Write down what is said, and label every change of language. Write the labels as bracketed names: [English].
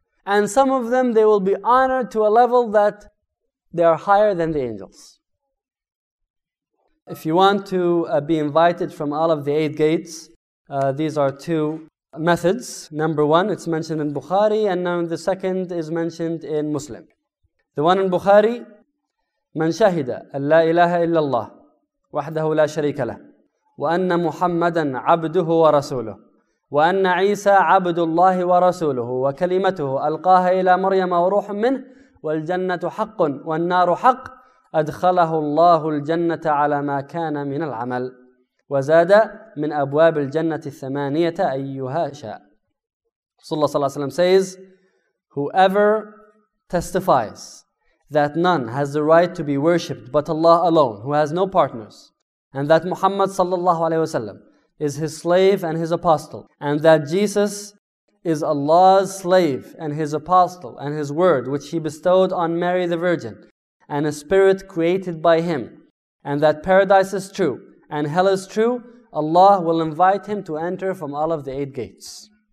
[English] And some of them, they will be honored to a level that they are higher than the angels. If you want to be invited from all of the eight gates, these are two methods. Number one, it's mentioned in Bukhari, and now the second is mentioned in Muslim. [Arabic] The one in Bukhari, من شهد أن لا إله إلا الله وحده لا شريك له وأن محمدا عبده ورسوله وأن عيسى عبد الله ورسوله وكلمته ألقاها إلى مريم وروح منه والجنة حق والنار حق أدخله الله الجنة على ما كان من العمل وزاد من أبواب الجنة الثمانية أيها شاء. صلى الله عليه وسلم [English] says, whoever testifies that none has the right to be worshipped but Allah alone, who has no partners, and that Muhammad sallallahu alayhi wasallam is his slave and his apostle, and that Jesus is Allah's slave and his apostle and his word, which he bestowed on Mary the Virgin, and a spirit created by him, and that paradise is true and hell is true, Allah will invite him to enter from all of the eight gates.